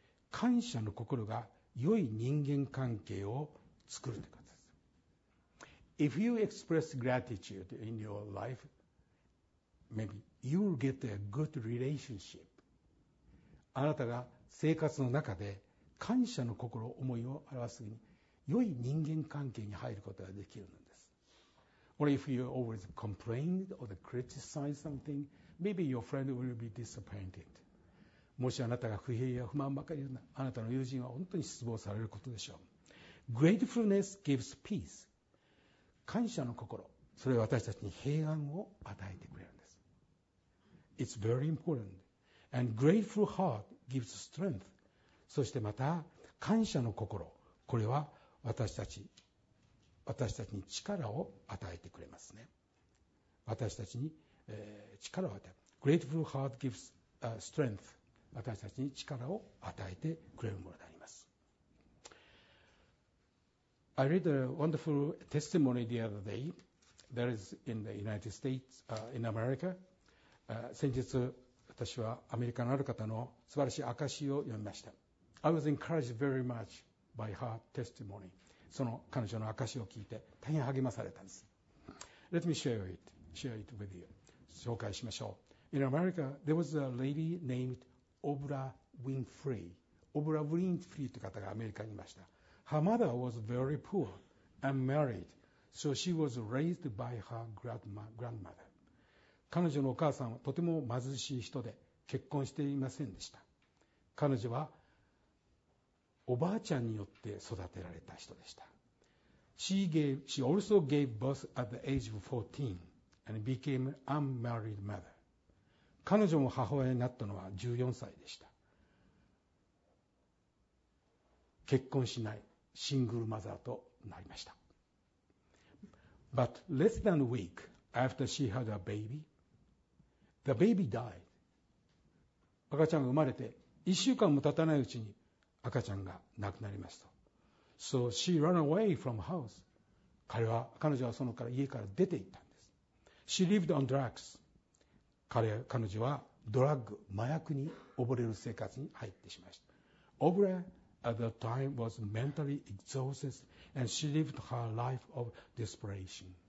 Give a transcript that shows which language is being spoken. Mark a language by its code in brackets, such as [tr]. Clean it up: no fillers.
[ja] 感謝の心が良い人間関係を作るということです。 [en] If you express gratitude in your life, maybe you will get a good relationship. [ja] あなたが生活の中で感謝の心、思いを表すように良い人間関係に入ることができるのです。 [en] Or if you always complain or criticize something, maybe your friend will be disappointed. [ja] もしあなたが不平や不満ばかりなあなたの友人は本当に失望されることでしょう。 [en] Gratefulness gives peace. [ja] 感謝の心、それは私たちに平安を与えてくれるんです。 [en] It's very important. And grateful heart gives strength. [ja] そしてまた感謝の心、これは私たちに力を与えてくれますね。私たちに、力を与える。 [en] Grateful heart gives strength. [ja] 私たちに力を与えてくれるものであります。 [en] I read a wonderful testimony the other day. That is in the United States, in America. [ja] 先日私はアメリカのある方の素晴らしい証を読みました。 [en] I was encouraged very much by her testimony. [ja] その彼女の証を聞いて大変励まされたんです。 [en] Let me share it with you. [ja] 紹介しましょう。 [en] In America, there was a lady named Oprah Winfrey. [ja] Oprah Winfrey という方がアメリカにいました。 [en] Her mother was very poor and married, so she was raised by her grandmother. [ja] 彼女のお母さんはとても貧しい人で結婚していませんでした。彼女はおばあちゃんによって育てられた人でした。 [en] She also gave birth at the age of 14 and became an unmarried mother. [ja] 彼女も母親になったのは14歳でした。結婚しないシングルマザーとなりました。 [en] But less than a week after she had a baby, the baby died. [ja] 赤ちゃんが生まれて1週間も経たないうちに赤ちゃんが亡くなりました。 [en] So she ran away from house. [ja] 彼女はそのから家から出て行ったんです。 [en] She lived on drugs. [ja] 彼女はドラッグ、麻薬に溺れる生活に入ってしまいました。 [en] Oprah at the time was mentally exhausted and she lived her life of desperation.